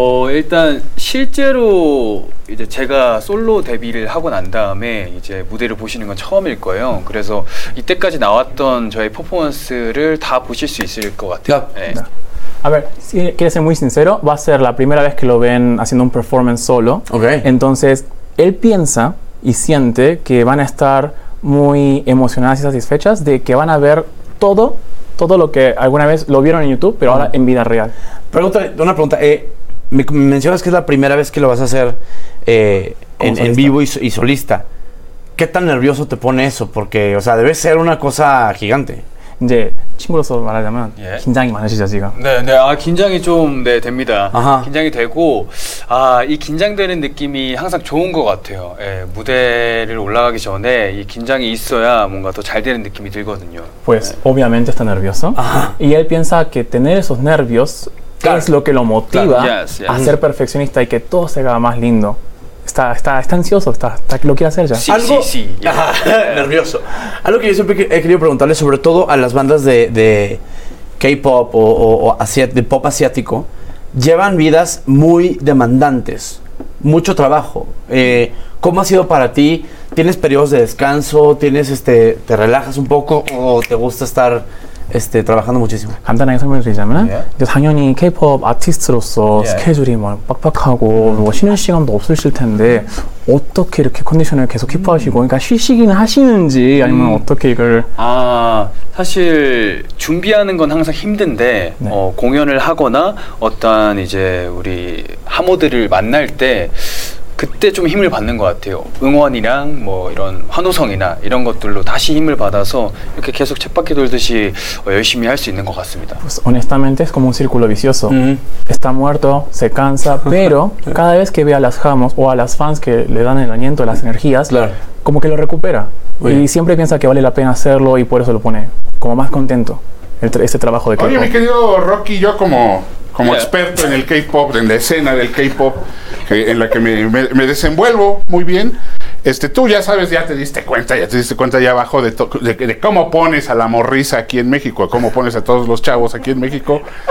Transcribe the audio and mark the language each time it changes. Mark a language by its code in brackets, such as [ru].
[ko] 일단 실제로 이제 제가 솔로 데뷔를 하고 난 다음에 이제 무대를 보시는 건 처음일 거예요. 그래서 이때까지 나왔던 저의 퍼포먼스를 다 보실 수 있을 것 같아요. [es] A ver, si quieres ser muy sincero, va a ser la primera vez que lo ven haciendo un performance solo. Okay. Entonces, él piensa y siente que van a estar muy emocionadas y satisfechas de que van a ver todo lo que alguna vez lo vieron en YouTube, pero ahora en vida real. Una pregunta. Me mencionas que es la primera vez que lo vas a hacer en vivo y solista. ¿Qué tan nervioso te pone eso? Porque, o sea, debe ser una cosa gigante. [ko] 이제 친구로서 말하자면 예. 긴장이 많으시죠 지금? 네네 긴장이 좀 네 됩니다. 아하. 긴장이 되고 이 긴장되는 느낌이 항상 좋은 것 같아요. 예, 무대를 올라가기 전에 이 긴장이 있어야 뭔가 더 잘 되는 느낌이 들거든요. [es] Pues 네. obviamente está nervioso. Y él piensa que tener esos nervios es lo que lo motiva a ser perfeccionista y que todo se haga más lindo. Está ansioso, está lo quiere hacer ya. Sí. Nervioso. Algo que yo siempre he querido preguntarle, sobre todo a las bandas de K-pop o de pop asiático, llevan vidas muy demandantes, mucho trabajo. ¿Cómo ha sido para ti? ¿Tienes periodos de descanso? ¿Tienes te relajas un poco o te gusta estar trabajando muchísimo? [ko] 간단하게 설명을 드리자면 yeah. 당연히 K-POP 아티스트로서 yeah. 스케줄이 막 빡빡하고 뭐 쉬는 시간도 없으실 텐데 어떻게 이렇게 컨디션을 계속 키프하시고 그러니까 쉬시긴 하시는지 아니면 어떻게 이걸 사실 준비하는 건 항상 힘든데 네. 공연을 하거나 어떤 이제 우리 하모들을 만날 때 그때 좀 힘을 받는 것 같아요. 응원이랑 뭐 이런 환호성이나 이런 것들로 다시 힘을 받아서 이렇게 계속 쳇바퀴 돌듯이 열심히 할 수 있는 것 같습니다. [es] Pues honestamente es como un círculo vicioso. Está muerto, se cansa, pero cada vez que ve a las jamos o a las fans que le dan el aliento, las energías, como que lo recupera. Y siempre piensa que vale la pena hacerlo y por eso lo pone como más contento ese trabajo de K-pop. Oye, mi querido Rocky, yo como experto en el K-pop, en la escena del K-pop, en la que me desenvuelvo muy bien, tú ya sabes, ya te diste cuenta allá abajo de cómo pones a la morrisa aquí en México, cómo pones a todos los chavos aquí en México.